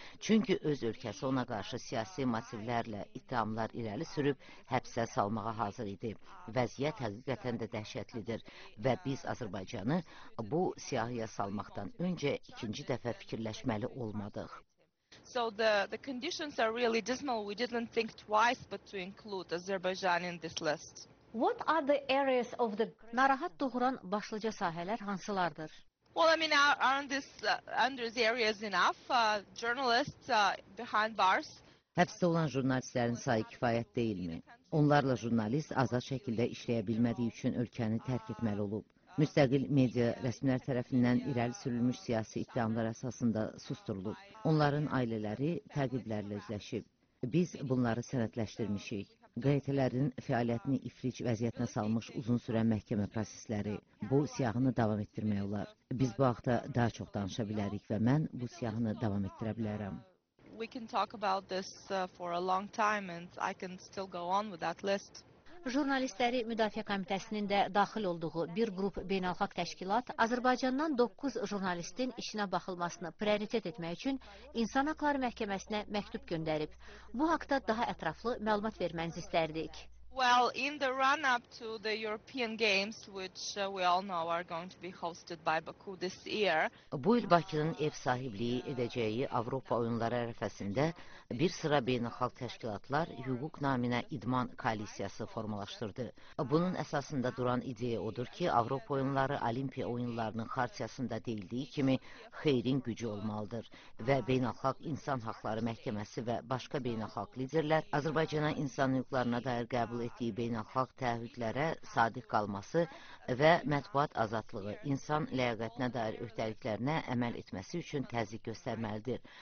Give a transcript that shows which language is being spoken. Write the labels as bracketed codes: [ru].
[az] Çünki öz ölkəsi ona qarşı siyasi motivlərlə ittihamlar irəli sürüb həbsə salmağa hazır idi. Vəziyyət həqiqətən də dəhşətlidir və biz Azərbaycanı bu siyahıya salmaqdan öncə ikinci dəfə fikirləşməli olmadıq. [en] So the conditions are really dismal. We didn't think twice but to include Azerbaijan in this list. What are the areas of the [az] narahat doğuran başlıca sahələr hansılardır? [en] Well, I mean, aren't these areas enough? Journalists behind bars. [az] Həbsdə olan jurnalistlərin sayı kifayət deyilmi? Onlarla jurnalist azad şəkildə işləyə bilmədiyi üçün ölkəni tərk etməli olub. Müstəqil media rəsmilər tərəfindən irəli sürülmüş siyasi ittihamlar əsasında susdurulub. Onların ailələri təqiblərlə üzləşib. Biz bunları sənədləşdirmişik. QT-lərin fəaliyyətini ifric vəziyyətinə salmış uzun sürən məhkəmə prosesləri bu siyahını davam etdirmək olar. Biz bu haqda daha çox danışa bilərik və mən bu siyahını davam etdirə bilərəm. [en] We can talk about this for a long time and I can still go on with that list. [az] Jurnalistləri Müdafiə Komitəsinin də daxil olduğu bir qrup beynəlxalq təşkilat Azərbaycandan 9 jurnalistin işinə baxılmasını prioritet etmək üçün İnsan Haqları Məhkəməsinə məktub göndərib. Bu haqda daha ətraflı məlumat verməyinizi istərdik. [en] Well, in the run-up to the European Games, which we all know are going to be hosted by Baku this year. [az] Bu il Bakının ev sahibliyi edəcəyi Avropa oyunları ərəfəsində bir sıra beynəlxalq təşkilatlar hüquq naminə idman koalisiyası formalaşdırdı. Bunun əsasında duran ideya odur ki, Avropa oyunları Olimpiya oyunlarının xartiyasında deyildiyi kimi xeyrin gücü olmalıdır və beynəlxalq insan haqları məhkəməsi və başqa beynəlxalq liderlər Azərbaycana insan hüquqlarına dair qəbul etdiyi beynəlxalq təhdidlərə sadiq qalması və mətbuat azadlığı, insan ləyaqətinə dair öhdəliklərinə əməl etməsi üçün təzyiq göstərməlidir.